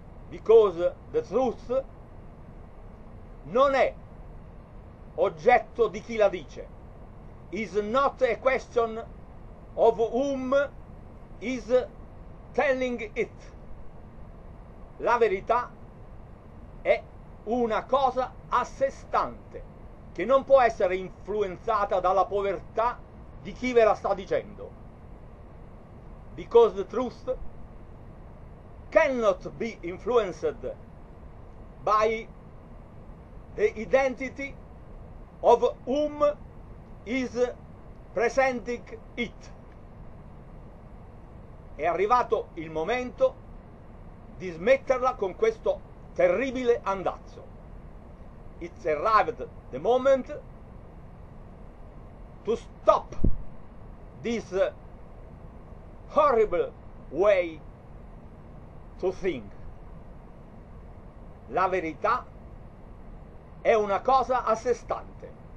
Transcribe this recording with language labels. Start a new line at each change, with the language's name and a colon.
English: because the truth,
Italian: non è oggetto di chi la dice,
English: is not a question of whom is telling it.
Italian: La verità è una cosa a sé stante, che non può essere influenzata dalla povertà di chi ve la sta dicendo.
English: Because the truth cannot be influenced by the identity of whom is presenting it.
Italian: È arrivato il momento di smetterla con questo terribile andazzo.
English: It's arrived the moment to stop this horrible way to think.
Italian: La verità è una cosa a sé stante.